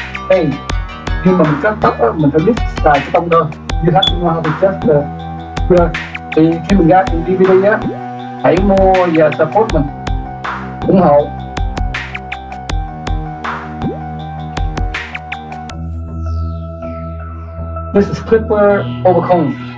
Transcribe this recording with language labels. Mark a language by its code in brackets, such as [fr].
[vi] Hey, khi mà mình cắt tóc á, mình phải biết xài cái tông đơn. [en] You have to know how to test the product. [vi] Thì khi mình ra trên DVD á, hãy mua và support mình, ủng hộ. [en] This is Clipper Overcomb.